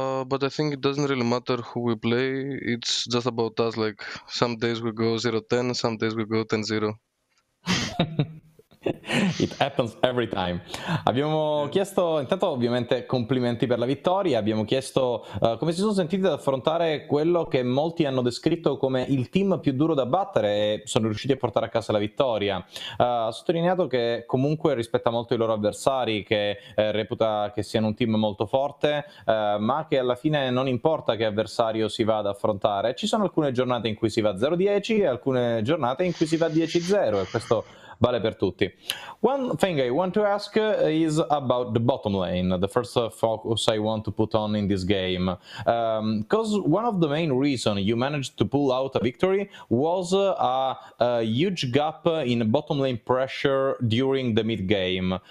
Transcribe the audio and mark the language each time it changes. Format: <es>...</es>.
<en>But I think it doesn't really matter who we play, it's just about us, like, some days we go 0-10, some days we go 10-0. It happens every time.</en> <it>Abbiamo chiesto, intanto ovviamente complimenti per la vittoria, abbiamo chiesto come si sono sentiti ad affrontare quello che molti hanno descritto come il team più duro da battere e sono riusciti a portare a casa la vittoria. Ha sottolineato che comunque rispetta molto i loro avversari, che reputa che siano un team molto forte, ma che alla fine non importa che avversario si va ad affrontare. Ci sono alcune giornate in cui si va 0-10 e alcune giornate in cui si va 10-0 e questo vale per tutti.</it> <en>One thing I want to ask is about the bottom lane, the first focus I want to put on in this game. Because one of the main reasons you managed to pull out a victory was a huge gap in bottom lane pressure during the mid game.</en>